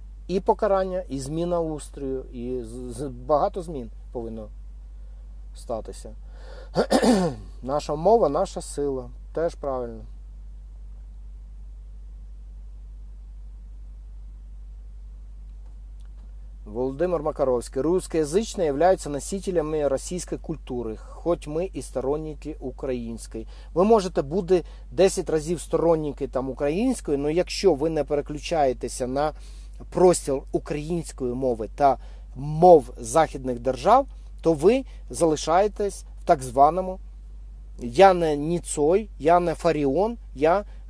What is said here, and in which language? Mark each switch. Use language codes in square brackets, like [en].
[uk] І покарання, і зміна устрою, і багато змін повинно статися. Наша мова, наша сила. Теж правильно. Володимир Макаровський. [ru] Русскоязычные являются носителями российской культуры, хоть мы и сторонники украинской. Вы можете [uk] бути 10 разів сторонники там української, но якщо ви не переключаєтеся на простір української мови та мов західних держав, то ви залишаєтесь в так званому я не Ніцой, я не Фаріон, я